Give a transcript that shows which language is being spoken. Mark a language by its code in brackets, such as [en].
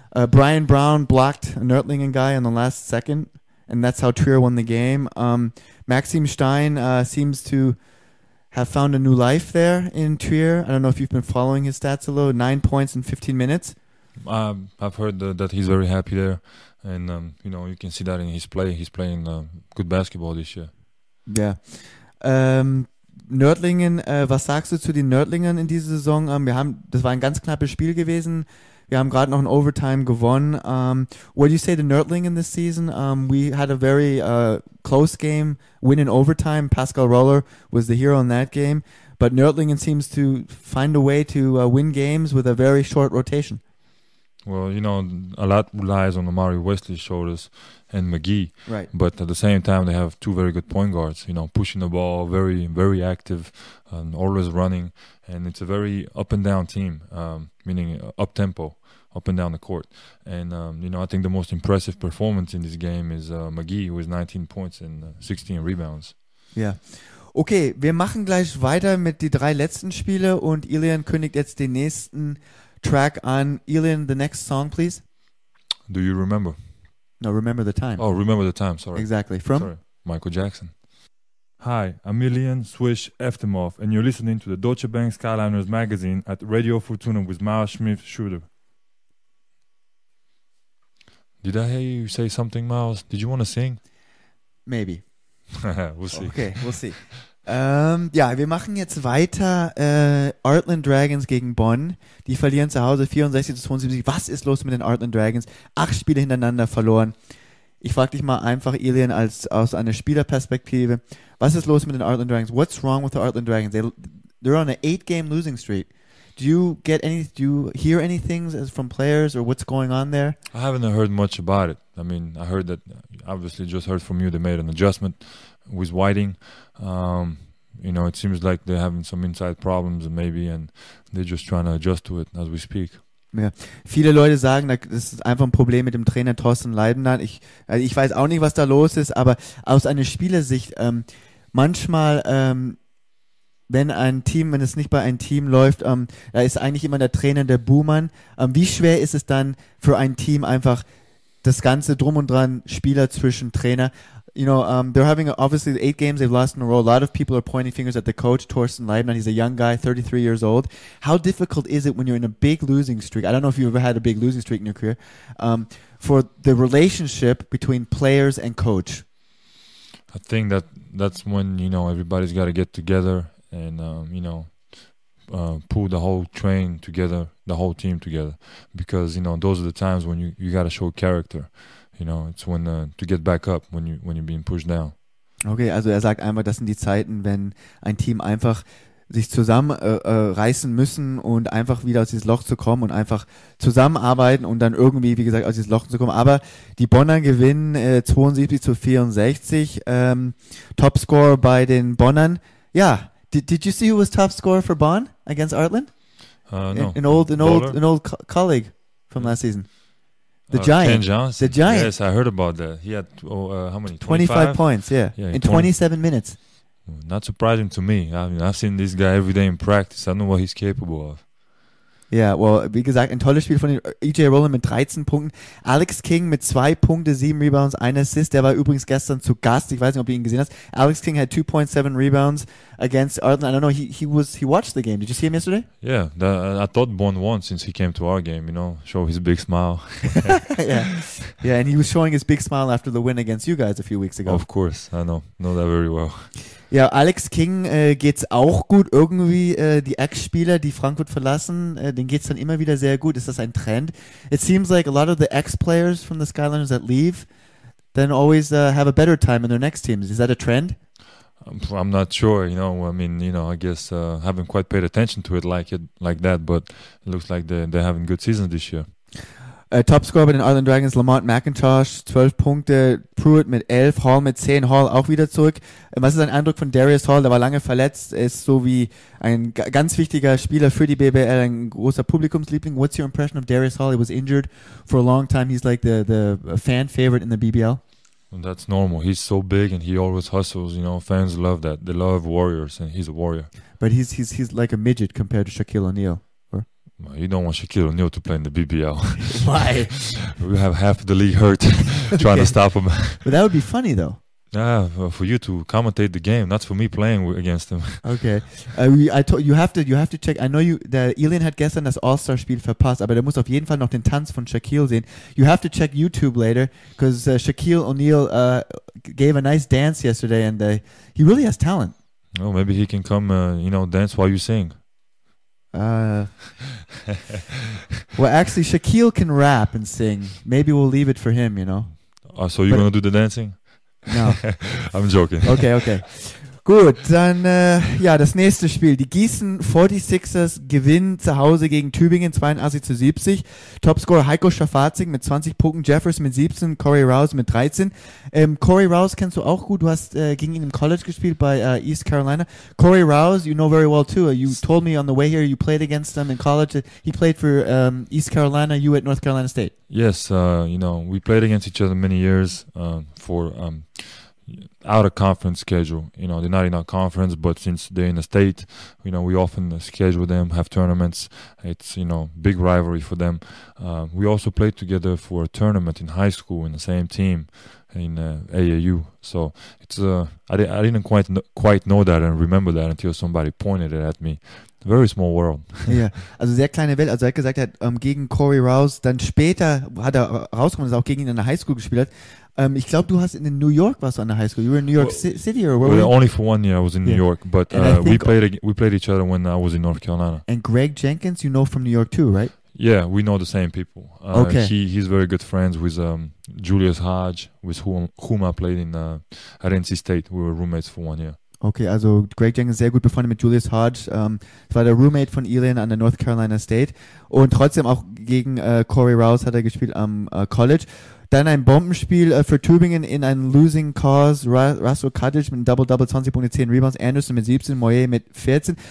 [en] Brian Brown blocked a Nördlingen guy in the last second, and that's how Trier won the game. Maxim Stein seems to have found a new life there in Trier. I don't know if you've been following his stats a little. 9 points in 15 minutes. I've heard that he's very happy there. And, you know, you can see that in his play. He's playing good basketball this year. Yeah. [de] Nördlingen, was sagst du zu den Nördlingern in dieser Saison? Das war ein ganz knappes Spiel gewesen. Wir haben gerade noch in Overtime gewonnen. [en] What do you say to Nördlingen this season? We had a very close game, win in overtime. Pascal Roller was the hero in that game. But Nördlingen seems to find a way to win games with a very short rotation. Well, you know, a lot relies on Omari Wesley's shoulders and McGee. Right. But at the same time, they have two very good point guards, you know, pushing the ball, very, very active and always running. And it's a very up and down team, meaning up tempo, up and down the court. And, you know, I think the most impressive performance in this game is McGee, who is 19 points and 16 rebounds. Yeah. [de] Okay, wir machen gleich weiter mit die drei letzten Spiele und Ilian kündigt jetzt den nächsten Track on. [en] Ilian, the next song, please. Do you remember? No, Remember the Time. Oh, Remember the Time, sorry. Exactly. From? Sorry. Michael Jackson. Hi, I'm Ilian Swish Eftimov, and you're listening to the Deutsche Bank Skyliners magazine at Radio Fortuna with Miles Smith Schroeder. Did I hear you say something, Miles? Did you want to sing? Maybe. We'll see. Okay, we'll see. [de] ja, wir machen jetzt weiter. Artland Dragons gegen Bonn. Die verlieren zu Hause 64-72. Was ist los mit den Artland Dragons? 8 Spiele hintereinander verloren. Ich frage dich mal einfach, Ilian, als aus einer Spielerperspektive. Was ist los mit den Artland Dragons? [en] What's wrong with the Artland Dragons? They're on an 8-game losing streak. Do you hear any things from players or what's going on there? I haven't heard much about it. I mean, I heard that, obviously just heard from you, they made an adjustment with Whiting. You know, it seems like they're having some inside problems and maybe, and they're just trying to adjust to it as we speak. [de] Ja. Viele Leute sagen, das ist einfach ein Problem mit dem Trainer Thorsten Leibniz. Ich weiß auch nicht, was da los ist, aber aus einer Spielersicht, manchmal, wenn es nicht bei einem Team läuft, da ist eigentlich immer der Trainer der Buhmann. Wie schwer ist es dann für ein Team einfach das Ganze drum und dran, Spieler zwischen Trainer? [en] You know, they're having obviously 8 games they've lost in a row. A lot of people are pointing fingers at the coach, Thorsten Leibniz. He's a young guy, 33 years old. How difficult is it when you're in a big losing streak? I don't know if you've ever had a big losing streak in your career. For the relationship between players and coach? I think that's when, you know, everybody's got to get together and, you know, pull the whole train together, the whole team together, because you know those are the times when you got to show character. You know, it's when to get back up when you're being pushed down. [de] Okay, also er sagt einfach, das sind die Zeiten, wenn ein Team einfach sich zusammen reißen müssen und einfach wieder aus dieses Loch zu kommen und einfach zusammenarbeiten und dann irgendwie, wie gesagt, aus dieses Loch zu kommen. Aber die Bonner gewinnen 72-64. Topscore bei den Bonnern. [en] Ja, did you see who was top scorer for Bonn against Artland? No. An old colleague from last season. The Giant. Ken Johnson. The Giant. Yes, I heard about that. He had, how many? 25 points, yeah. In 27 minutes. Not surprising to me. I mean, I've seen this guy every day in practice. I don't know what he's capable of. Yeah, well, [de] wie gesagt, ein tolles Spiel von EJ Rowland mit 13 Punkten. Alex King mit 2 Punkte, 7 Rebounds, 1 Assist. Der war übrigens gestern zu Gast. Ich weiß nicht, ob du ihn gesehen hast. [en] Alex King had 2.7 rebounds against Arden. I don't know, he watched the game. Did you see him yesterday? Yeah, I thought Bonn won since he came to our game, you know, show his big smile. Yeah, and he was showing his big smile after the win against you guys a few weeks ago. Of course, I know that very well. [de] Ja, Alex King geht's auch gut irgendwie. Die Ex-Spieler, die Frankfurt verlassen, denen geht's dann immer wieder sehr gut. Ist das ein Trend? [en] It seems like a lot of the ex-players from the Skyliners that leave then always have a better time in their next teams. Is that a trend? I'm not sure. You know, I mean, you know, I guess haven't quite paid attention to it like that. But it looks like they're having good seasons this year. [de] Topscorer bei den Island Dragons, Lamont McIntosh, 12 Punkte, Pruitt mit 11, Hall mit 10, Hall auch wieder zurück. Was ist dein Eindruck von Darius Hall? Der war lange verletzt, ist so wie ein ganz wichtiger Spieler für die BBL, ein großer Publikumsliebling. [en] What's your impression of Darius Hall? He was injured for a long time. He's like the fan favorite in the BBL. And that's normal. He's so big and he always hustles. You know, fans love that. They love warriors and he's a warrior. But he's like a midget compared to Shaquille O'Neal. You don't want Shaquille O'Neal to play in the BBL. Why? We have half the league hurt trying to stop him. But that would be funny, though. Yeah, for you to commentate the game, not for me playing against him. Okay. You have to check. I know you. [de] Der Elian hat gestern das All-Star-Spiel verpasst, aber der muss auf jeden Fall noch den Tanz von Shaquille sehen. [en] You have to check YouTube later, because Shaquille O'Neal gave a nice dance yesterday, and he really has talent. Oh, well, maybe he can come, dance while you sing. Well, actually, Shaquille can rap and sing. Maybe we'll leave it for him, you know. So you're going to do the dancing? No. I'm joking. [de] Okay. Gut, dann, das nächste Spiel. Die Gießen 46ers gewinnen zu Hause gegen Tübingen 82-70. Topscorer Heiko Schafazig mit 20 Punkten, Jeffers mit 17, Corey Rouse mit 13. Corey Rouse kennst du auch gut. Du hast gegen ihn im College gespielt bei East Carolina. [en] Corey Rouse, you know very well too. You told me on the way here you played against him in college. He played for East Carolina, you at North Carolina State. Yes, you know, we played against each other many years for out of conference schedule. You know, they're not in our conference, but since they're in the state, you know, we often schedule them, have tournaments. It's, you know, big rivalry for them. We also played together for a tournament in high school in the same team in AAU. So it's I didn't quite know that and remember that until somebody pointed it at me. Very small world. [de] Ja, also sehr kleine Welt. Also er hat gesagt, er hat gegen Corey Rouse, dann später hat er rausgekommen, dass er auch gegen ihn in der High School gespielt hat. Ich glaube, du hast in New York, warst du an der High School? [en] You were in New York City or where? Well, only for one year I was in New York, but we played each other when I was in North Carolina. And Greg Jenkins, you know from New York too, right? Yeah, we know the same people. Okay. He's very good friends with Julius Hodge, with whom I played in at NC State. We were roommates for one year. [de] Okay, also Greg Jenkins, sehr gut befreundet mit Julius Hodge. Das war der Roommate von Elian an der North Carolina State. Und trotzdem auch gegen Corey Rouse hat er gespielt am College. Dann ein Bombenspiel für Tübingen in einem Losing Cause. Russell Cuttage mit Double-Double, 20 Punkte, 10 Rebounds. Anderson mit 17, Moyer mit 14.